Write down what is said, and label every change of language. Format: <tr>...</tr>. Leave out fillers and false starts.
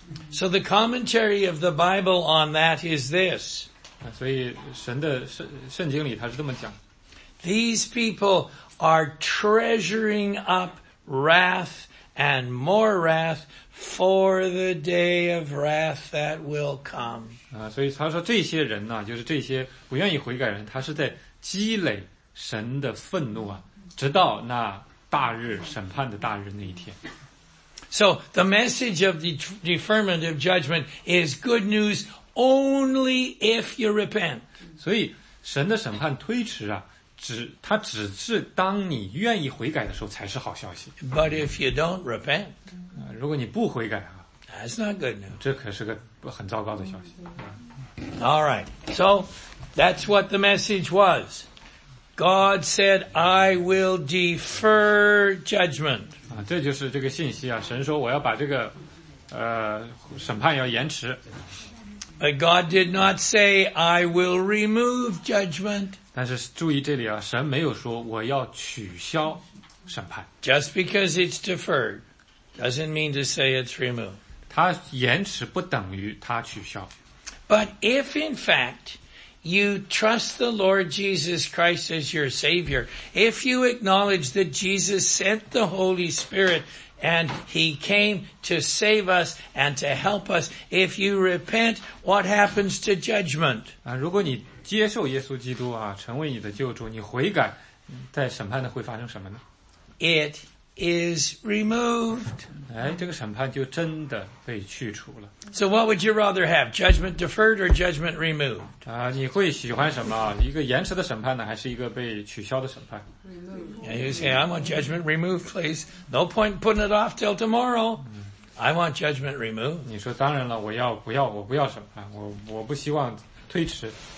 <en>So the commentary of the Bible on that is this. These people are treasuring up wrath and more wrath for the day of wrath that will come.</en> <zh>所以他说这些人呢、啊、就是这些不愿意悔改人他是在积累神的愤怒啊直到那大日审判的大日那一天。</zh> <en>So, the message of the deferment of judgment is good news only if you repent.</en> <zh>所以神的审判推迟啊它只是当你愿意悔改的时候才是好消息。</zh> <en>But if you don't repent,</en> <zh>如果你不悔改啊</zh> <en>That's not good news.</en> <zh>这可是个很糟糕的消息。</zh> <en>Alright, so that's what the message was. God said, I will defer judgment.</en> <zh>这就是这个信息啊神说我要把这个审判要延迟。</zh> <en>But God did not say, I will remove judgment.</en> <zh>但是注意这里啊神没有说我要取消审判。</zh> <en>Just because it's deferred doesn't mean to say it's removed.</en> <zh>他延迟不等于他取消。</zh> <en>But if in fact you trust the Lord Jesus Christ as your Savior, if you acknowledge that Jesus sent the Holy Spirit and he came to save us and to help us, if you repent, what happens to judgment?</en> <zh>如果你接受耶稣基督啊成为你的救主你悔改在审判的会发生什么呢</zh> <en>It is removed.</en> <zh>哎，这个审判就真的被去除了。</zh> <en>So what would you rather have? Judgment deferred or judgment removed?</en> <zh>啊，你会喜欢什么？一个延迟的审判呢，还是一个被取消的审判？</zh> <en>And you say, I want judgment removed, please. No point putting it off till tomorrow. I want judgment removed.</en> <zh>你说当然了，我不要审判，我不希望推迟。</zh>